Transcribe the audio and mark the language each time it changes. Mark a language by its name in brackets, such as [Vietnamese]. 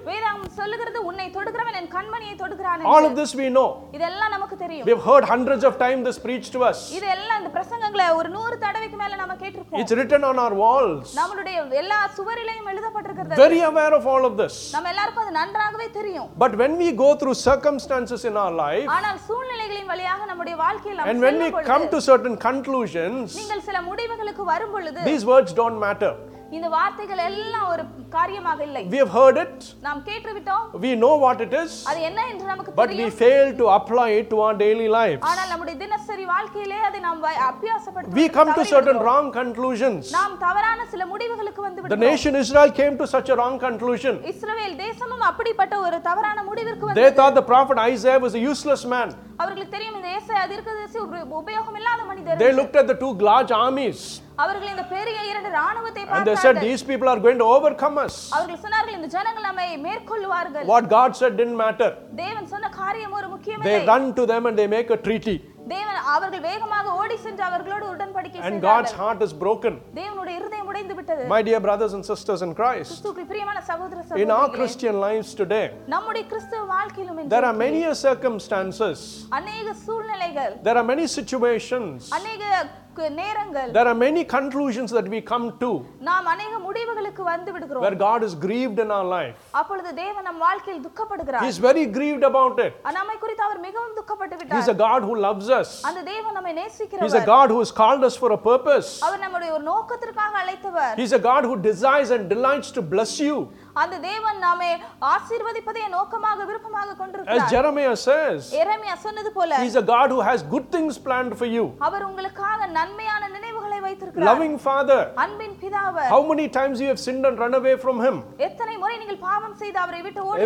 [Tamil] வேதம் சொல்லுகிறது உன்னை தொடுகிறவன் என் கண்மணியை தொடுகிறான் [English] All of this we know. [Tamil] இதெல்லாம் நமக்கு தெரியும். [English] We've heard hundreds of times this preached to us. [Tamil] இதெல்லாம் இந்த பிரசங்கங்களை ஒரு 100 தடவைக்கு மேல நாம கேட்டிருப்போம். [English] It's written on our walls. [Tamil] நம்மளுடைய எல்லா சுவரிலேயும் எழுதப்பட்டிருக்கிறது. [English] Very aware of all of this. [Tamil] நாம் எல்லாருக்கும் அது நன்றாகவே தெரியும் [English] but when we go through circumstances in our life [Tamil] ஆனால் சூழ்நிலைகளின் வழியாக நம்முடைய வாழ்க்கையில் [English] and when we come to certain conclusions [Tamil] நீங்கள் சில முடிவுகளுக்கு வரும் பொழுது [English] these words don't matter [Tamil] இந்த வார்த்தைகள் எல்லாம் ஒரு காரியமாக இல்லை [English] we have heard it [Tamil] நாம் கேட்டுவிட்டோம் [English] we know what it is [Tamil] அது என்ன என்று நமக்கு தெரியும் [English] but we fail to apply it to our daily lives [Tamil] ஆனால் நம்முடைய தினசரி வாழ்க்கையிலே அதை நாம் அபியாசப்படுத்துகிறோம் [English] we come to certain wrong conclusions [Tamil] நாம் தவறான சில முடிவுகளுக்கு வந்துவிட்டோம் [English] the nation israel came to such a wrong conclusion [Tamil] இஸ்ரவேல் தேசமும் அப்படிப்பட்ட ஒரு தவறான முடிவுக்கு வந்தது [English] they thought the prophet isaiah was a useless man [Tamil] அவர்களுக்கு தெரியும் இந்த ஏசாயா தீர்க்கதரிசி ஒரு உபயோகமில்லாத மனிதர் [English] they looked at the two large armies [Tamil] அவர்கள் இந்த பெரிய இரண்டு ராணுவத்தை பார்த்து [English] And they said these people are going to overcome us. [Tamil] அவர்கள் சொன்னார்கள் இந்த ஜனங்கள் நம்மை மேற்கொள்ளுவார்கள். [English] What God said didn't matter. [Tamil] தேவன் சொன்ன காரியம் ஒரு முக்கியமில்லை. [English] They run to them and they make a treaty. [Tamil] தேவன் அவர்கள் வேகமாக ஓடி சென்று அவர்களோடு உடன்படிக்கை செய்தார். [English] And God's heart is broken. [Tamil] தேவனுடைய இருதயம் உடைந்து விட்டது. [English] My dear brothers and sisters in Christ. [Tamil] கிறிஸ்துவுக்கு பிரியமான சகோதர சகோதரிகளே. [English] In our Christian lives today. [Tamil] நம்முடைய கிறிஸ்துவ வாழ்க்கையிலும் [English] There are many circumstances. [Tamil] அநேக சூழ்நிலைகள். [English] There are many situations. [Tamil] அநேக [English] There are many conclusions that we come to [Tamil] நாம் அநேக முடிவுகளுக்கு வந்து விடுகிறோம் [English] where God is grieved in our life [Tamil] அப்பொழுது தேவன் நம் வாழ்க்கையில் துக்கப்படுகிறார் [English] He is very grieved about it [Tamil] நம்மை குறித்து அவர் மிகவும் துக்கப்பட்டு விட்டார் [English] He is a God who loves us [Tamil] அந்த தேவன் நம்மை நேசிக்கிறவர் [English] He is a God who has called us for a purpose [Tamil] அவர் நம்மை ஒரு நோக்கத்திற்காக அழைத்தவர் [English] He is a God who desires and delights to bless you [Tamil] அந்த தேவன் நம்மை ஆசீர்வதிப்பதே நோக்கமாக விருப்பமாக கொண்டிருக்கிறார் [English] As Jeremiah says [Tamil] எரேமியா சொன்னது போல [English] He is a God who has good things planned for you [Tamil] அவர் உங்களுக்காக நன்மையான நினைவுகளை வைத்திருக்கிறார் [English] Loving Father [Tamil] அன்பின் பிதாவே [English] How many times you have sinned and run away from him [Tamil] எத்தனை முறை நீங்கள் பாவம் செய்து அவரை விட்டு ஓடி